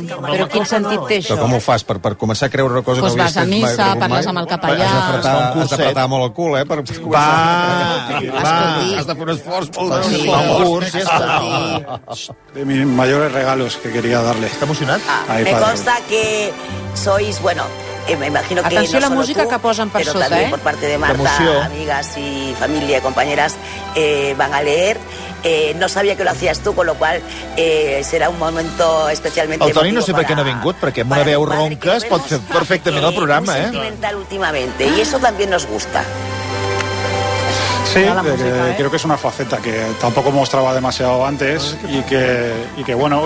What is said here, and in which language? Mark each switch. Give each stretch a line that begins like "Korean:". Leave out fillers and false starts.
Catalan: Però quin sentit té això? Com ho fas? Per començar a creure una cosa
Spanish: pues
Catalan: que no havies fet mai? Doncs vas a missa, parles amb el capellà... Has d'apretar molt el cul, eh? Per va! Has de fer un esforç molt de curs.
Spanish: De mis mayores regalos que quería darle.
Catalan: Està emocionat?
Spanish: Me consta que sois, bueno... Me imagino que
Catalan: atenció no a la música
Spanish: tú,
Catalan: que posen per sota, també per part de Marta, amigues i família i companyeres
Spanish: van a leer. No sabia que lo hacías tú, con lo cual será un momento especialmente
Catalan: emotivo. El Toni no sé per què no ha vingut, perquè amb una veu ronca es pot fer perfectament el programa.
Spanish: Un sentimental últimamente, y eso también nos gusta. Sí, creo que es una faceta que tampoco mostraba demasiado antes y que bueno...